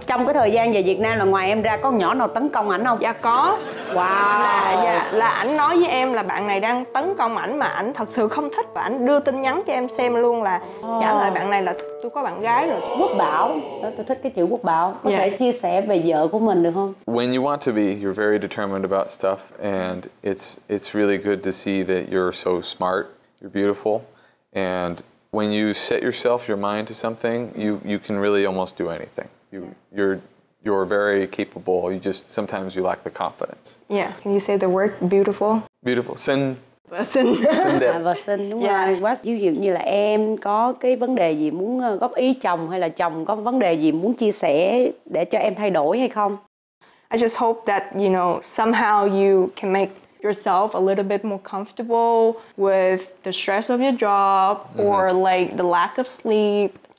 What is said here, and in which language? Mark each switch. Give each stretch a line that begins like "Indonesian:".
Vietnamese: Trong cái thời gian về Việt Nam là ngoài em ra con nhỏ nào tấn công ảnh không? Dạ có. Wow. Là ảnh nói với em là bạn này đang tấn công ảnh mà ảnh thật sự không thích. Và ảnh đưa tin nhắn cho em xem luôn là trả lời bạn này là tôi có bạn gái rồi. Quốc Bảo, đó, tôi thích cái chữ Quốc Bảo. Có thể chia sẻ về vợ của mình được không?
English: When you want to be, you're very determined about stuff. And it's really good to see that you're so smart. You're beautiful. And when you set yourself, your mind to something, you can really almost do anything. You're very capable. You just sometimes you lack the confidence. Yeah. Can you say the word beautiful? Beautiful.
Vietnamese: Xin. Và xin. Xin đẹp. Và xin đúng rồi. Quá dịu dàng. Như là em có cái vấn đề gì muốn góp ý chồng, hay là chồng có vấn đề gì muốn chia sẻ để cho em thay đổi hay không?
English: I just hope that you know somehow you can make yourself a little bit more comfortable with the stress of your job or like the lack of sleep.